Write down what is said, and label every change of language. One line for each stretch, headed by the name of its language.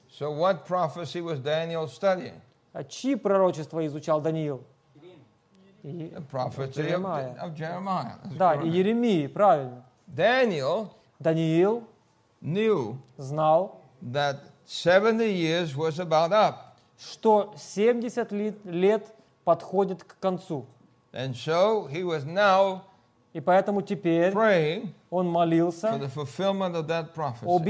English: So what prophecy was Daniel studying?
Russian: А чьи пророчества изучал Даниил?
English: The prophecy of Jeremiah.
Russian: Да, и Иеремии, правильно.
English: Daniel,
Russian: Даниил
English: knew,
Russian: знал,
English: that 70 years was about up.
Russian: Что 70 лет подходит к концу.
English: And so he was now praying for the fulfillment of that prophecy.